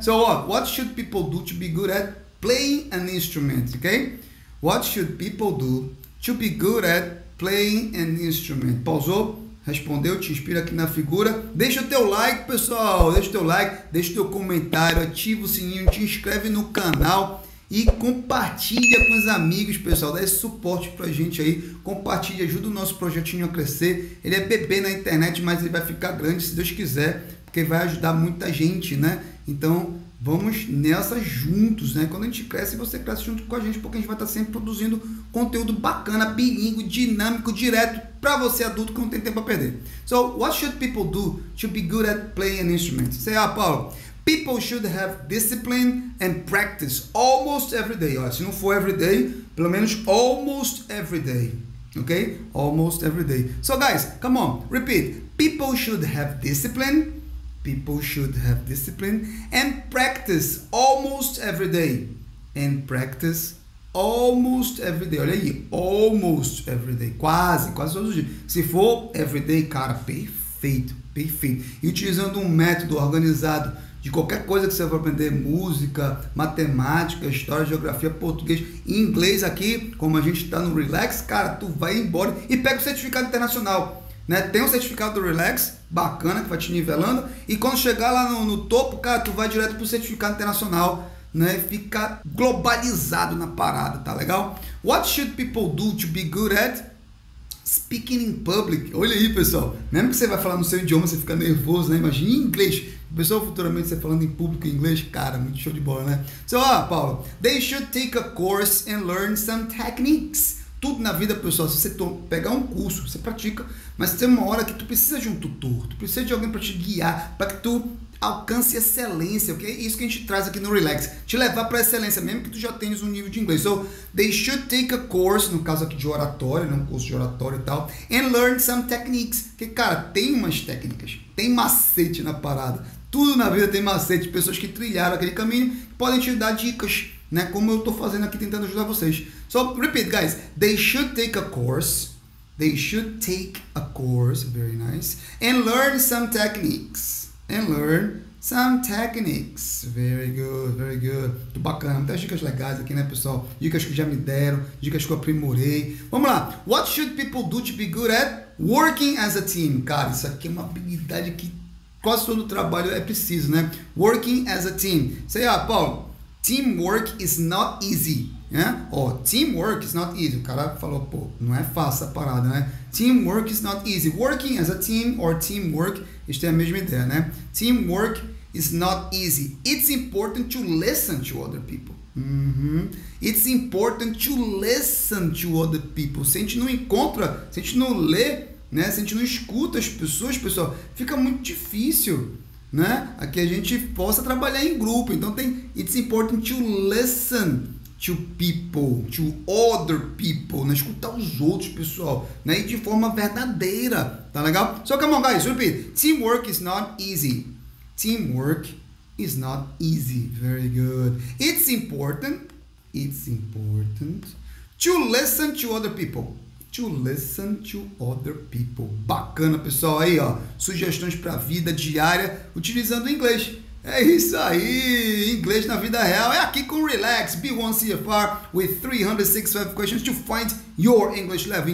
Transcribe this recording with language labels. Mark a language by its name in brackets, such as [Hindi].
[English] So, what should people do to be good at playing an instrument, ok? What should people do to be good at playing an instrument? [Portuguese] Pausou? Respondeu? Te inspira aqui na figura. Deixa o teu like, pessoal. Deixa o teu like, deixa o teu comentário, ativa o sininho, te inscreve no canal e compartilha com os amigos, pessoal. Dá esse suporte pra gente aí. Compartilha, ajuda o nosso projetinho a crescer. Ele é bebê na internet, mas ele vai ficar grande, se Deus quiser, porque vai ajudar muita gente, né? Então, vamos nessa juntos, né? Quando a gente cresce, você cresce junto com a gente, porque a gente vai estar sempre produzindo conteúdo bacana, bilíngue, dinâmico, direto para você adulto que não tem tempo a perder. [English] So, what should people do to be good at playing an instrument? Say, ah, Paulo, people should have discipline and practice almost every day. [Portuguese] Olha, se não for [English] every day, [Portuguese] pelo menos [English] almost every day. Ok? Almost every day. So, guys, come on, repeat. People should have discipline. People should have discipline and practice almost every day. And practice almost every day. [Portuguese] Olha aí, [English] almost every day. [Portuguese] Quase, quase todos os dias. Se for every day, cara, perfeito, perfeito. E utilizando um método organizado de qualquer coisa que você for aprender, música, matemática, história, geografia, português, inglês aqui, como a gente está no Relax, cara, tu vai embora e pega o certificado internacional. Né? Tem um certificado do Relax, bacana, que vai te nivelando. E quando chegar lá no topo, cara, tu vai direto pro certificado internacional, né? Fica globalizado na parada, tá legal? [English] What should people do to be good at speaking in public? [Portuguese] Olha aí, pessoal. Mesmo que você vai falar no seu idioma, você fica nervoso, né? Imagina em inglês. Pessoal, futuramente você falando em público em inglês, cara, muito show de bola, né? [English] So, Paulo. They should take a course and learn some techniques. [Portuguese] Tudo na vida, pessoal, se você pegar um curso, você pratica, mas tem uma hora que tu precisa de um tutor, tu precisa de alguém para te guiar, para que tu alcance excelência, ok? Isso que a gente traz aqui no Relax, te levar para excelência, mesmo que tu já tenhas um nível de inglês. [English] So, they should take a course, [Portuguese] no caso aqui de oratória, né? Um curso de oratória e tal, [English] and learn some techniques, [Portuguese] porque, cara, tem umas técnicas, tem macete na parada, tudo na vida tem macete, pessoas que trilharam aquele caminho, que podem te dar dicas, né? Como eu tô fazendo aqui tentando ajudar vocês. [English] So, repeat, guys. They should take a course. They should take a course. Very nice. And learn some techniques. And learn some techniques. Very good, very good. [Portuguese] Tô bacana. Muitas dicas legais aqui, né, pessoal? Dicas que já me deram. Dicas que eu aprimorei. Vamos lá. [English] What should people do to be good at working as a team? [Portuguese] Cara, isso aqui é uma habilidade que quase todo trabalho é preciso, né? [English] Working as a team. Say, Paulo. Teamwork is not easy. Né? Oh, teamwork is not easy. [Portuguese] O cara falou, pô, não é fácil a parada, né? [English] Teamwork is not easy. Working as a team or teamwork, [Portuguese] isso tem a mesma ideia, né? [English] Teamwork is not easy. It's important to listen to other people. Uhum. It's important to listen to other people. [Portuguese] Se a gente não encontra, se a gente não lê, né? Se a gente não escuta as pessoas, pessoal, fica muito difícil, né? Aqui a gente possa trabalhar em grupo. Então tem [English] it's important to listen to people, to other people, [Portuguese] né? Escutar os outros, pessoal, né? E de forma verdadeira, tá legal? [English] So come on, guys, repeat. Teamwork is not easy. Teamwork is not easy. Very good. It's important to listen to other people. To listen to other people. [Portuguese] Bacana, pessoal. Aí, ó. Sugestões para a vida diária utilizando o inglês. É isso aí. Inglês na vida real. É aqui com Relax. [English] B1CFR with 365 questions to find your English level.